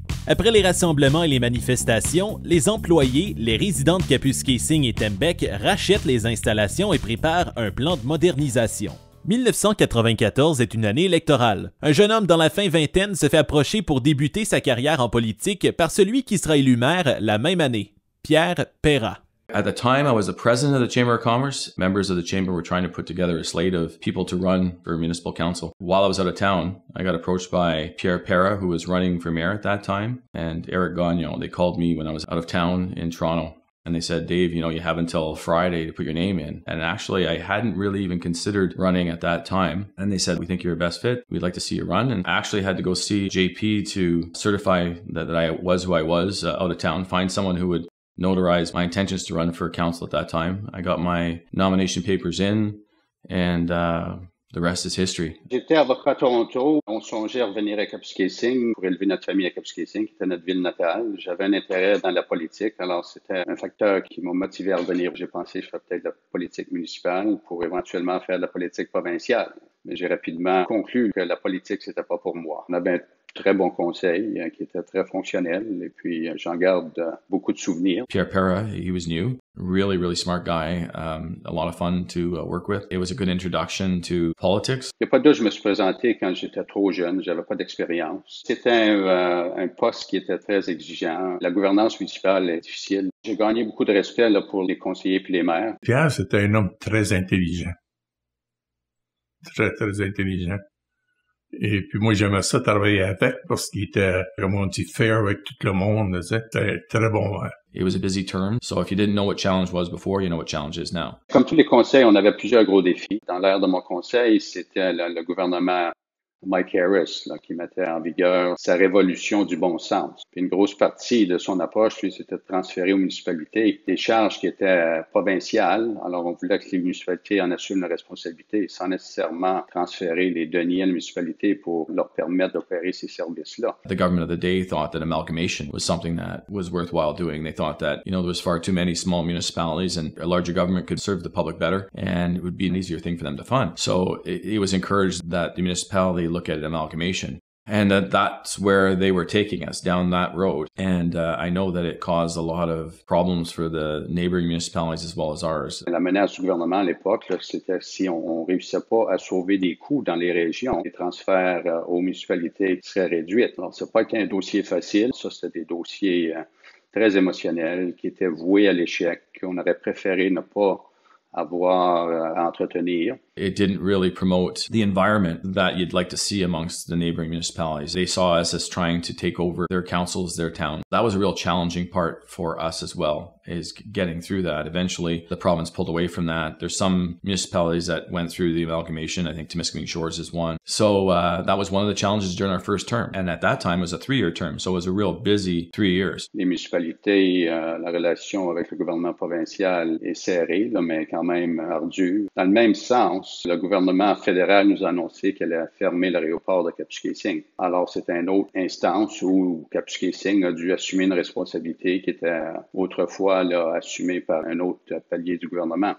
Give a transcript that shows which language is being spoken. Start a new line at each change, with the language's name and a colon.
French: Après les rassemblements et les manifestations, les employés, les résidents de Kapuskasing et Tembec rachètent les installations et préparent un plan de modernisation. 1994 est une année électorale. Un jeune homme dans la fin vingtaine se fait approcher pour débuter sa carrière en politique par celui qui sera élu maire la même année, Pierre Perras.
English: At the time, I was the president of the Chamber of Commerce. Members of the chamber were trying to put together a slate of people to run for municipal council. While I was out of town, I got approached by Pierre Perras, who was running for mayor at that time, and Eric Gagnon. They called me when I was out of town in Toronto, and they said, Dave, you know, you have until Friday to put your name in. And actually, I hadn't really even considered running at that time. And they said, we think you're a best fit. We'd like to see you run. And I actually had to go see JP to certify that I was who I was out of town, find someone who would notarized my intentions to run for council at that time. I got my nomination papers in, and the rest is history.
French: J'étais avocat à Toronto. On songeait à revenir à Kapuskasing pour élever notre famille à Kapuskasing, qui était notre ville natale. J'avais un intérêt dans la politique, alors c'était un facteur qui m'a motivé à revenir. J'ai pensé que je ferais peut-être la politique municipale pour éventuellement faire de la politique provinciale. Mais j'ai rapidement conclu que la politique, c'était pas pour moi. On avait très bon conseil, qui était très fonctionnel, et puis j'en garde beaucoup de souvenirs.
English: Pierre Perras, he was new. Really, really smart guy. A lot of fun to work with. It was a good introduction to politics.
French: Il n'y a pas de doute, je me suis présenté quand j'étais trop jeune, j'avais pas d'expérience. C'était un poste qui était très exigeant. La gouvernance municipale est difficile. J'ai gagné beaucoup de respect là, pour les conseillers et les maires. Pierre, c'était un homme très intelligent. Très, très intelligent. Et puis moi, j'aimais ça travailler avec parce qu'il était, comme on dit, fair avec tout le monde. C'était très bon. Hein.
English: It was a busy term. So if you didn't know what challenge was before, you know what challenge is now.
French: Comme tous les conseils, on avait plusieurs gros défis. Dans l'ère de mon conseil, c'était le gouvernement Mike Harris là, qui mettait en vigueur sa révolution du bon sens. Puis une grosse partie de son approche, lui, c'était de transférer aux municipalités des charges qui étaient provinciales. Alors, on voulait que les municipalités en assument la responsabilité sans nécessairement transférer les deniers à la municipalité pour leur permettre d'opérer ces services-là.
English: The government of the day thought that amalgamation was something that was worthwhile doing. They thought that, you know, there was far too many small municipalities and a larger government could serve the public better and it would be an easier thing for them to fund. So, it was encouraged that the municipalities look at amalgamation. And that's where they were taking us, down that road. And I know that it caused a lot of problems for the neighboring municipalities as well as ours.
French: La menace du gouvernement à l'époque, là, c'était si on réussissait pas à sauver des coûts dans les régions, les transferts aux municipalités seraient réduits. Alors, ça n'a pas été un dossier facile. Ça, c'était des dossiers très émotionnels qui étaient voués à l'échec, qu'on aurait préféré ne pas avoir à entretenir.
English: It didn't really promote the environment that you'd like to see amongst the neighboring municipalities. They saw us as trying to take over their councils, their town. That was a real challenging part for us as well, is getting through that. Eventually, the province pulled away from that. There's some municipalities that went through the amalgamation. I think Temiskaming Shores is one. So that was one of the challenges during our first term. And at that time, it was a three-year term. So it was a real busy 3 years.
French: Les municipalités, la relation avec le gouvernement provincial est serrée, là, mais quand même ardue. Dans le même sens, le gouvernement fédéral nous a annoncé qu'elle a fermé l'aéroport de Kapuskasing. Alors, c'est une autre instance où Kapuskasing a dû assumer une responsabilité qui était autrefois là, assumée par un autre palier du gouvernement.